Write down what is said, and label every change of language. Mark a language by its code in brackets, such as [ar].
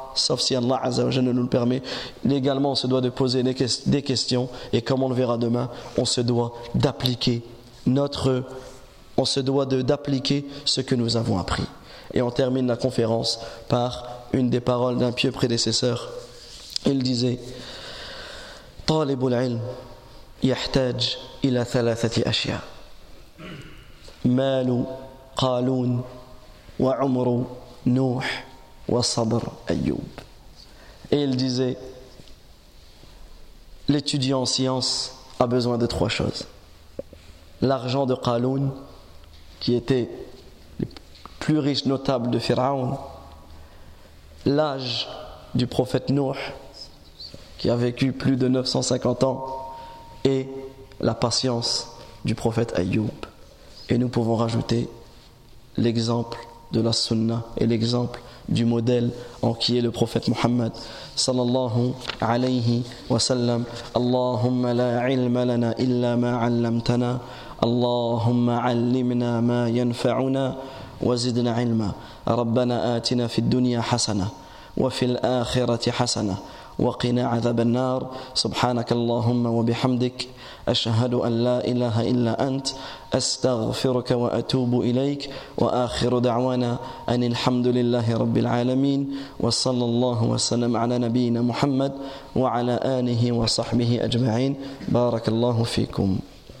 [fr] Sauf si Allah Azza wa Jalla nous le permet. Également, on se doit de poser des questions. Et comme on le verra demain, on se doit d'appliquer notre. On se doit d'appliquer ce que nous avons appris. Et on termine la conférence par une des paroles d'un pieux prédécesseur. Il disait: [ar] طالب العلم يحتاج إلى ثلاثة أشياء: مال قالون وعمر نوح وصبر أيوب. [fr] Et il disait: l'étudiant en science a besoin de trois choses: l'argent de Qaloun, qui était le plus riche notable de Pharaon, l'âge du prophète Nuh, qui a vécu plus de 950 ans, et la patience du prophète Ayyub. Et nous pouvons rajouter l'exemple de la sunna et l'exemple du modèle en qui est le prophète Muhammad sallallahu alayhi wa sallam. [ar] Allahumma la ilma lana illa ma 'allamtana, Allahumma 'allimna ma yanfa'una wa zidna 'ilma. Rabbana atina fid dunya hasana wa fil akhirati hasana وقنا عذاب النار. سبحانك اللهم وبحمدك أشهد أن لا إله إلا أنت أستغفرك وأتوب إليك وآخر دعوانا أن الحمد لله رب العالمين وصلى الله وسلم على نبينا محمد وعلى آله وصحبه أجمعين. بارك الله فيكم.